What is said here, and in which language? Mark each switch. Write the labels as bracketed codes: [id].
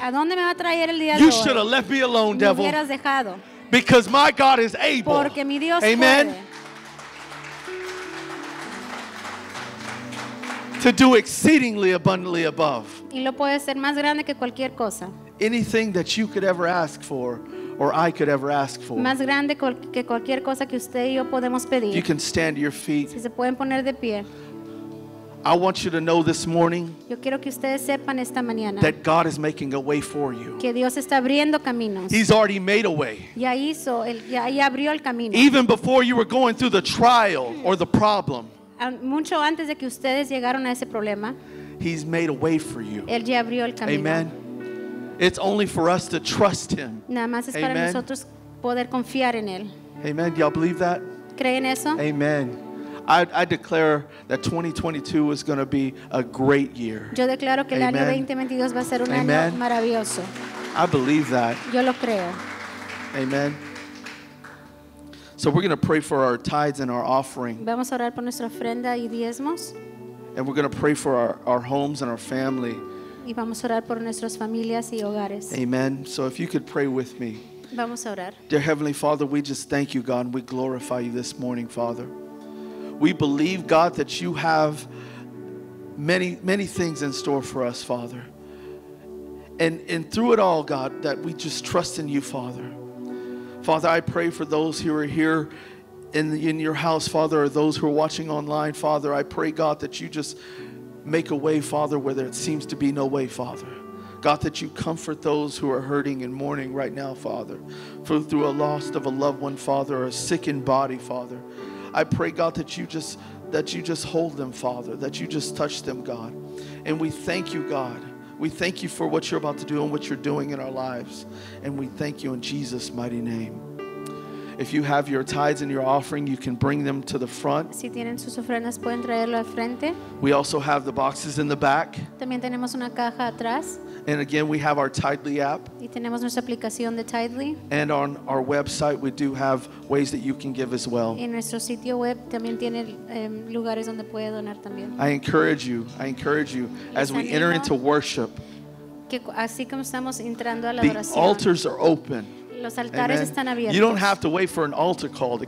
[es] ¿A dónde me va a traer el día de hoy? [en] You should have left me alone, devil. [es] Me hubieras dejado. [en] Because my God is able. [es] Porque mi Dios puede. [en] Amen. To do exceedingly abundantly above. [es] Y lo puede ser más grande que cualquier cosa. [en] Anything that you could ever ask for, or I could ever ask for. [es] Más grande que cualquier cosa que usted y yo podemos pedir. [en] You can stand to your feet. [es] Si se pueden poner de pie. [en] I want you to know this morning. [es] Yo quiero que ustedes sepan esta mañana. [en] That God is making a way for you. [es] Que Dios está abriendo caminos. [en] He's already made a way. [es] Ya hizo el, ya abrió el camino. [en] Even before you were going through the trial or the problem. [es] Mucho antes de que ustedes llegaron a ese problema, [en] He's made a way for you. [es] Él ya abrió el camino. [en] Amen. It's only for us to trust Him. [es] Nada más es [en] Amen. [es] Para nosotros poder confiar en Él. [en] Amen. Do y'all believe that? [es] ¿Creen eso? [en] Amen. I declare that 2022 is going to be a great year. [es] Yo declaro que [en] Amen. [es] El año 2022 va a ser un [en] Amen. [es] Año maravilloso. [en] I believe that. [es] Yo lo creo. [en] Amen. So we're going to pray for our tithes and our offering. [es] Vamos a orar por nuestra ofrenda y diezmos. [en] And we're going to pray for our homes and our family. [es] Y vamos a orar por nuestras familias y hogares. [en] Amen. So if you could pray with me. [es] Vamos a orar. [en] Dear Heavenly Father, we just thank you, God, and we glorify you this morning, Father. We believe, God, that you have many, many things in store for us, Father. And through it all, God, that we just trust in you, Father. Father, I pray for those who are here in your house, Father, or those who are watching online, Father. I pray, God, that you just make a way, Father, where there seems to be no way, Father. God, that you comfort those who are hurting and mourning right now, Father. For through a loss of a loved one, Father, or a sick in body, Father. I pray, God, that you just hold them, Father. That you just touch them, God. And we thank you, God. We thank you for what you're about to do and what you're doing in our lives. And we thank you in Jesus' mighty name. If you have your tithes and your offering, you can bring them to the front. [es] Si tienen sus ofrendas, pueden traerlo al frente. [en] We also have the boxes in the back. [es] También tenemos una caja atrás. [en] And again, we have our Tidely app. [es] Y tenemos nuestra aplicación de Tidely. [en] And on our website, we do have ways that you can give as well. [es] En nuestro sitio web también tiene lugares donde puede donar también. [en] I encourage you, as we enter into worship, [es] que así como estamos entrando a la [en] the [es] adoración, [en] altars are open. [es] Los altares [en] Amen. [es] Están abiertos. [en] You don't have to wait for an altar call to